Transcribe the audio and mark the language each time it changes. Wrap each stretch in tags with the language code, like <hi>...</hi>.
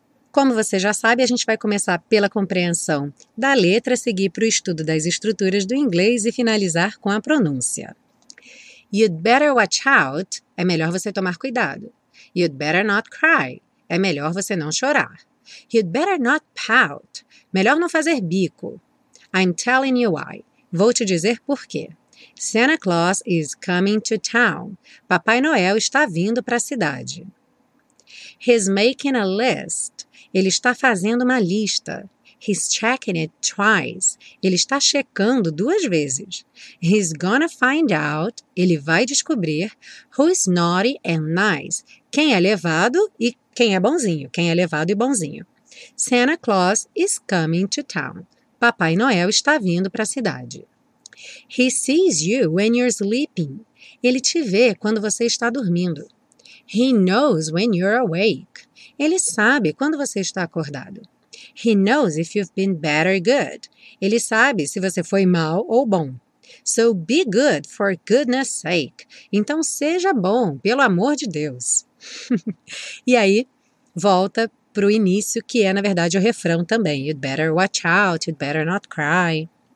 <pt>Como você já sabe, a gente vai começar pela compreensão da letra, seguir para o estudo das estruturas do inglês e finalizar com a pronúncia.</pt> <en>You'd better watch out,</en> <pt>é melhor você tomar cuidado.</pt> <en>You'd better not cry,</en> <pt>é melhor você não chorar.</pt> <en>You'd better not pout,</en> <pt>melhor não fazer bico.</pt> <en>I'm telling you why,</en> <pt>vou te dizer por quê.</pt> <en>Santa Claus is coming to town.</en> <pt>Papai Noel está vindo para a cidade.</pt> <en>He's making a list.</en> <pt>Ele está fazendo uma lista.</pt> <en>He's checking it twice.</en> <pt>Ele está checando duas vezes.</pt> <en>He's gonna find out.</en> <pt>Ele vai descobrir</pt> <en>who's naughty and nice.</en> <pt>Quem é levado e quem é bonzinho. Quem é levado e bonzinho.</pt> <en>Santa Claus is coming to town.</en> <pt>Papai Noel está vindo para a cidade.</pt> <en>He sees you when you're sleeping.</en> <pt>Ele te vê quando você está dormindo.</pt> <en>He knows when you're awake.</en> <pt>Ele sabe quando você está acordado.</pt> <en>He knows if you've been bad or good.</en> <pt>Ele sabe se você foi mal ou bom.</pt> <en>So be good for goodness sake.</en> <pt>Então seja bom, pelo amor de Deus. E aí, volta para o início, que é, na verdade, o refrão também.</pt> <en>You'd better watch out, you'd better not cry.</en>